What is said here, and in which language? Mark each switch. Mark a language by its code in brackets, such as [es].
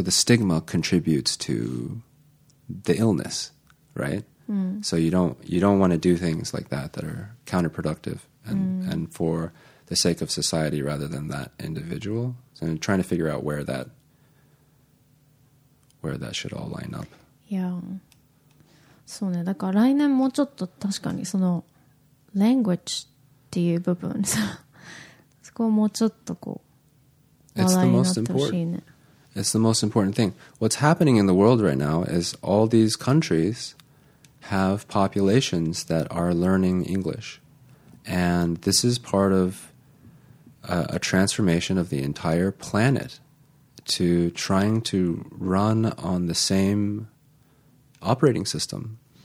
[en] So the stigma contributes to the illness, right? So you don't want to do things like that that are counterproductive and for the sake of society rather than that individual. So I'm trying to figure out where that should all line up. Yeah. [ja] そうね。だから来年もうちょっと確かにその language っていう部分さ、そこをもうちょっとこう話題になってほしいね。 [en] It's the most important thing. What's happening in the world right now is all these countries have populations that are learning English. And this is part of a transformation of the entire planet to trying to run on the same operating system.